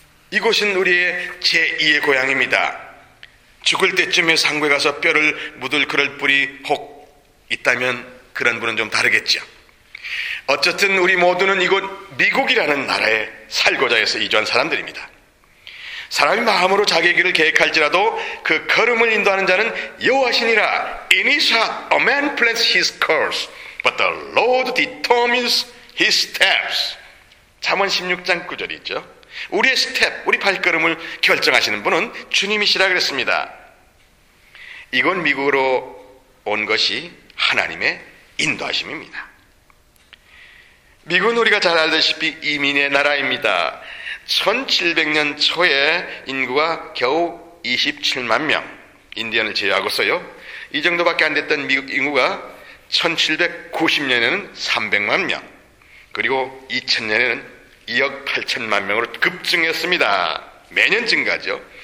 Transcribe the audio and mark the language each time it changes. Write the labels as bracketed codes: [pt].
[ko] 이곳은 우리의 제2의 고향입니다. 죽을 때쯤에 상고에 가서 뼈를 묻을 그럴 뿌리 혹 있다면 그런 분은 좀 다르겠죠. 어쨌든 우리 모두는 이곳 미국이라는 나라에 살고자 해서 이주한 사람들입니다. 사람이 마음으로 자기의 길을 계획할지라도 그 걸음을 인도하는 자는 여호와시니라. [en] In his heart a man plans his course, but the Lord determines his steps. [ko] 잠언 16장 9절이 있죠. 우리의 스텝, 우리 발걸음을 결정하시는 분은 주님이시라 그랬습니다. 이곳 미국으로 온 것이 하나님의 인도하심입니다. 미국은 우리가 잘 알다시피 이민의 나라입니다. 1700년 초에 인구가 겨우 27만 명, 인디언을 제외하고서요, 이 정도밖에 안 됐던 미국 인구가 1790년에는 300만 명, 그리고 2000년에는 2억 8천만 명으로 급증했습니다. 매년 증가죠.